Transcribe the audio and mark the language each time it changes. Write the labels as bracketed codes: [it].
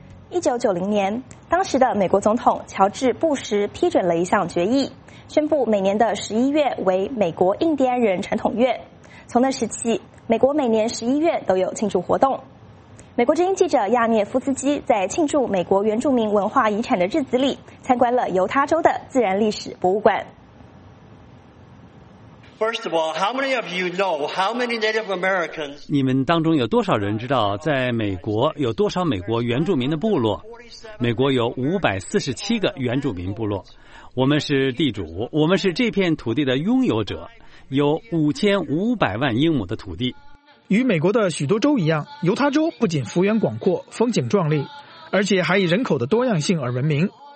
[zh] 1990年，当时的美国总统乔治·布什批准了一项决议，宣布每年的11月为美国印第安人传统月。从那时起，美国每年11月都有庆祝活动。美国之音记者亚涅夫斯基在庆祝美国原住民文化遗产的日子里，参观了犹他州的自然历史博物馆。 [en] First of all, how many of you know how many Native Americans? [zh] 你们当中有多少人知道，在美国有多少美国原住民的部落？美国有547个原住民部落。我们是地主，我们是这片土地的拥有者，有5500万英亩的土地。与美国的许多州一样，犹他州不仅幅员广阔、风景壮丽，而且还以人口的多样性而闻名。